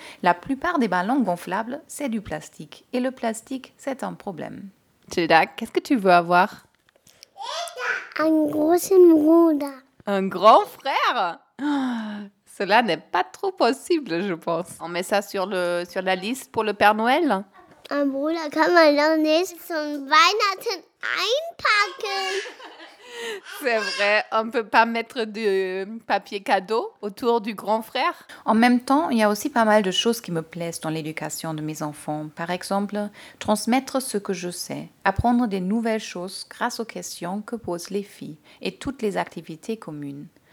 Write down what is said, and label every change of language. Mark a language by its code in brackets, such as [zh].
[fr] La plupart des ballons gonflables, c'est du plastique. Et le plastique, c'est un problème. Tilda, qu'est-ce que tu veux avoir? Un gros émeraude. Un grand frère? Cela n'est pas trop possible, je pense. On met ça sur la liste pour le Père Noël? [de] Un bruder kann man doch nicht zum Weihnachten einpacken. [fr] C'est vrai, on ne peut pas mettre du papier cadeau autour du grand frère. En même temps, il y a aussi pas mal de choses qui me plaisent dans l'éducation de mes enfants. Par exemple, transmettre ce que je sais, apprendre des nouvelles choses grâce aux questions que posent les filles et toutes les activités communes.